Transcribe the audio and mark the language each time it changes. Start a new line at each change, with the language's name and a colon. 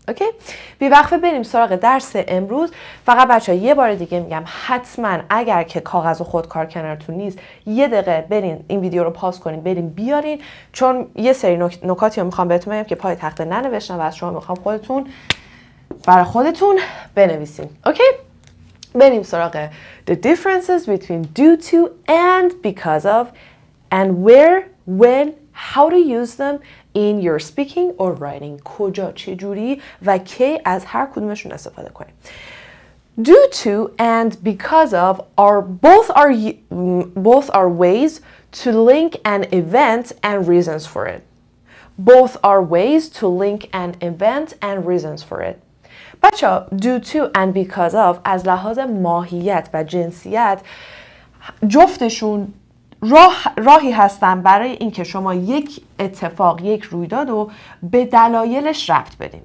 Persian: اوکی؟ بی‌وقفه بریم سراغ درس امروز. فقط بچه‌ها یه بار دیگه میگم حتما اگر که کاغذ و خودکار کنارتون نیست یه دقیقه برین این ویدیو رو پاس کنین، برین بیارین، چون یه سری نکاتی رو میخوام بهتون بگم که پای تخته ننوشتم و از شما میخوام خودتون برای خودتون بنویسین. اوکی؟ بریم سراغ
English: the differences between due to and because of and where, when, how to use them in your speaking or writing.
Persian: کجا، چه جوری و کی از هر کدومشون استفاده کنیم.
English: Due to and because of are both are ways to link an event and reasons for it. Both are ways to link an event and reasons for it.
Persian: بچه ها due to and because of از لحاظ ماهیت و جنسیت جفتشون راهی هستن برای اینکه شما یک اتفاق، یک رویداد رو به دلایلش ربط بدین.